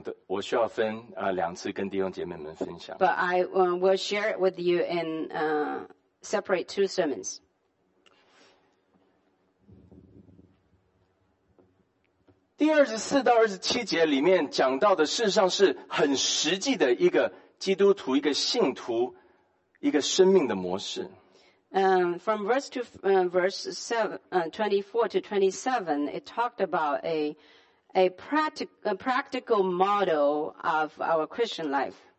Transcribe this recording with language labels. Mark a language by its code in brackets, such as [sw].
[zh] 但是呢，这四节的经文，我需要分两次跟弟兄姐妹们分享。 [en] But I will share it with you in separate two sermons. [zh] 第24到27节里面讲到的，事实上是很实际的一个基督徒、一个信徒、一个生命的模式。 [en] From verse to verse 24 to 27, it talked about a practical model of our Christian life.